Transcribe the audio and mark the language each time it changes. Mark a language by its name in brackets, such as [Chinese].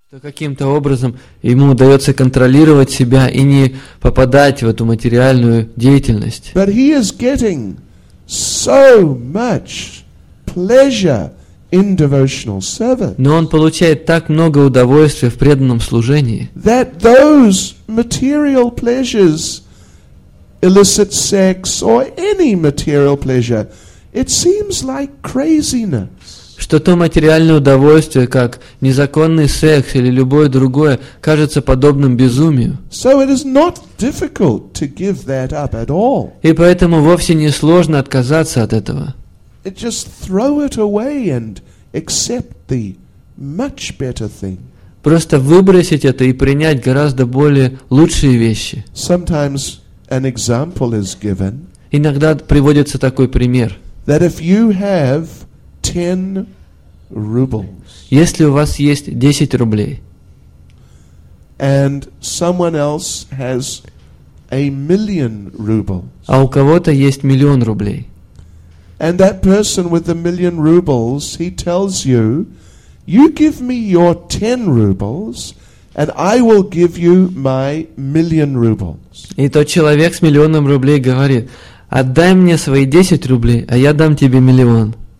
[Russian] то каким-то образом ему удается контролировать себя и не попадать в эту материальную деятельность. [English] But he is getting so much pleasure in devotional service. [Russian] Но он получает так много удовольствия в преданном служении, [English] that those material pleasures, illicit sex or any material pleasure, it seems like craziness. [Russian] Что то материальное удовольствие, как незаконный секс или любое другое, кажется подобным безумию. [English] So it is not difficult to give that up at all. [Russian] И поэтому вовсе не сложно отказаться от этого. [English] It just throw it away and accept the much better thing. [Russian] Просто выбросить это и принять гораздо более лучшие вещи. [English] Sometimes an example is given. [Russian] Иногда приводится такой пример. [English] That if you have 10 rubles. [Russian] Если у вас есть 10 рублей. [English] And someone else has a million rubles. [Russian] А у кого-то есть миллион рублей. [English] And that person with the million rubles, he tells you, you give me your 10 rubles, and I will give you my million rubles. [Russian] И тот человек с миллионом рублей говорит: отдай мне свои 10 рублей, а я дам тебе миллион.